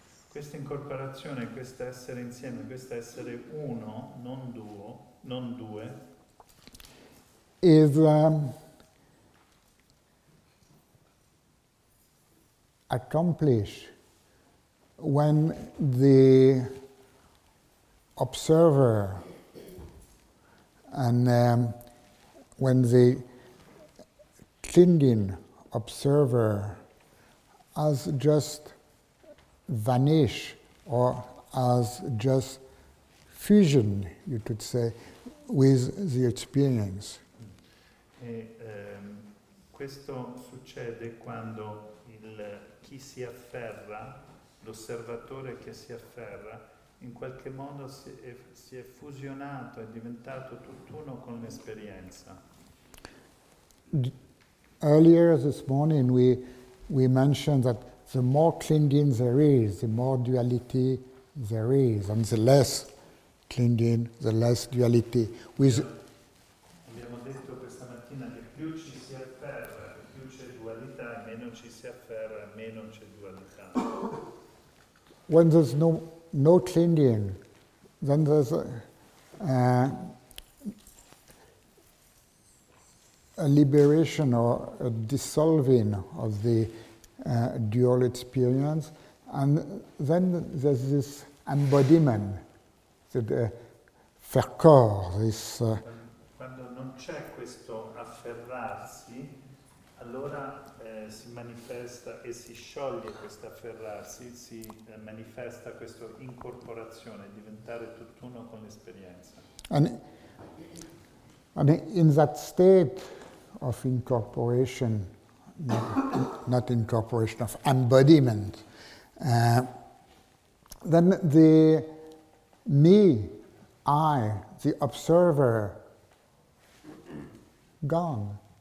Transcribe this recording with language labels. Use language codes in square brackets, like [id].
[it] Questa incorporazione, questo essere insieme, questo essere uno, non due, [en] is accomplished when the observer and when the thinking observer has just vanished, or as just fusion, you could say, with the experience. [it] E questo succede quando chi si afferra, l'osservatore che si afferra, in qualche modo si è fusionato, è diventato tutt'uno con l'esperienza. [en] Earlier this morning we mentioned that the more clinging there is, the more duality there is, and the less clinging, the less duality. [it] Abbiamo detto questa mattina che più ci si afferra, più c'è dualità, meno ci si afferra, meno c'è dualità. [en] When there's no clinging, then there's a liberation or a dissolving of the dual experience, and then there's this embodiment, the [fr] faire corps, [en] this... [it] Quando non c'è questo afferrarsi, allora si manifesta e si scioglie questo afferrarsi, si manifesta questa incorporazione, diventare tutt'uno con l'esperienza. [en] And in that state of incorporation, not incorporation, of embodiment, then the me, I, the observer, gone.